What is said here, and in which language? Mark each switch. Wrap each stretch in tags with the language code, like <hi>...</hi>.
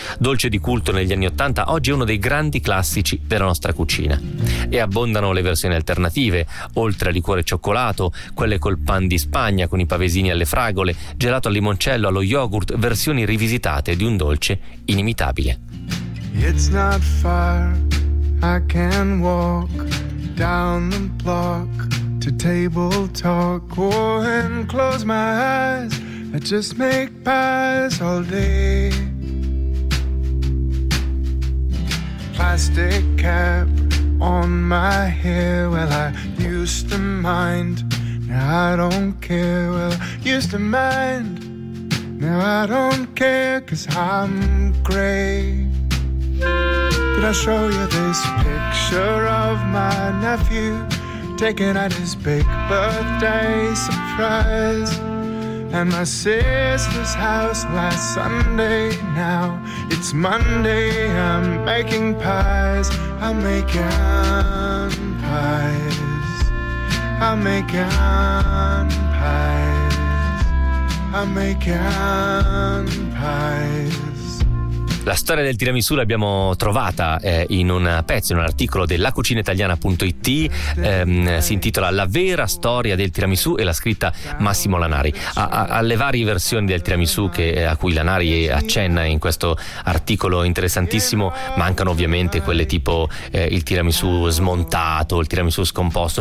<it>Dolce di culto negli anni Ottanta, oggi è uno dei grandi classici della nostra cucina. E abbondano le versioni alternative, oltre al liquore cioccolato, quelle col pan di Spagna con i pavesini alle fragole, gelato al limoncello, allo yogurt, versioni rivisitate di un dolce inimitabile.</it> <en>It's not far, I can walk down the block to table talk, oh, and close my eyes and just make pies all day. Plastic cap on my hair, well, I used to mind, now I don't care. Well, I used to mind, now I don't care, 'cause I'm gray. Did I show you this picture of my nephew taken at his big birthday surprise and my sister's house last Sunday? Now it's Monday, I'm making pies, I'm making pies, I'm making pies, I'm making pies.</en> <it>La storia del tiramisù l'abbiamo trovata in un pezzo, in un articolo dellacucinaitaliana.it, si intitola La vera storia del tiramisù e l'ha scritta Massimo Lanari. Alle varie versioni del tiramisù a cui Lanari accenna in questo articolo interessantissimo mancano ovviamente quelle tipo il tiramisù smontato, il tiramisù scomposto.</it>